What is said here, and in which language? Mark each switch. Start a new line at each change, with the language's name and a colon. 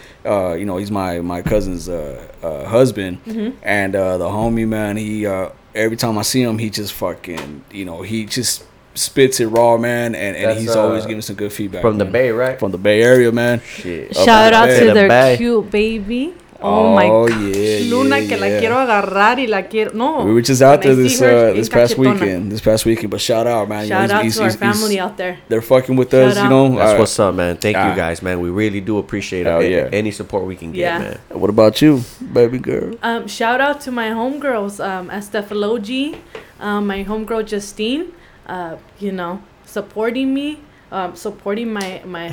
English: You know, he's my cousin's husband, mm-hmm. and the homie, man, he every time I see him, he just fucking, you know, he just spits it raw, man, and he's always giving some good feedback from, man, the Bay, right? From the Bay Area, man. Shit. Shout out to their cute baby. Oh my god.
Spanish: Luna, que la quiero agarrar y la quiero.
English: No. We were just out there this past weekend, but shout out, man. Shout out to our family out there. They're fucking with us, you know. That's what's up, man. Thank you guys, man. We really do appreciate any support we can get, man. What about you, baby girl? Shout out to my homegirls, Estefalogi, my homegirl Justine, you know, supporting me, supporting my husband.